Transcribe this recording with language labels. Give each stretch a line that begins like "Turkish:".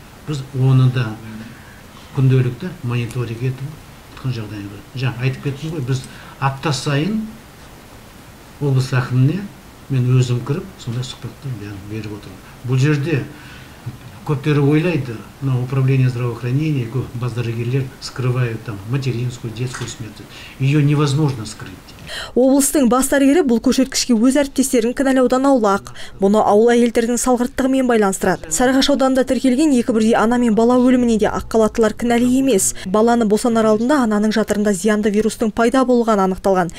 Kazakh: Біз оны да күнделікті мониторинг етіп тұрған жағдайда. Жаңа айтып кеттім ғой, біз апта сайын облыс әкіміне мен өзім кіріп сондай сұхбатты беріп отырмын. Бұл жерде көптері ойлайды,
Russian: но управление здравоохранения,
Kazakh: бас дәрігерлер
Russian: скрывают там материнскую, детскую смертность. Ее невозможно скрыть.
Kazakh: Облыстың бас дәрігері бұл көрсеткішке өз әріптестерін кінәлаудан аулақ. Бұны ауыл әйелдердің салғырттығымен байланыстырады. Сарыағаш ауданында тіркелген екі бірдей ана мен бала өліміне де ақ халаттылар кінәлі емес. Баланы босанар алдында ананың жатырында зиянды вирустың пайда болғаны анықталған.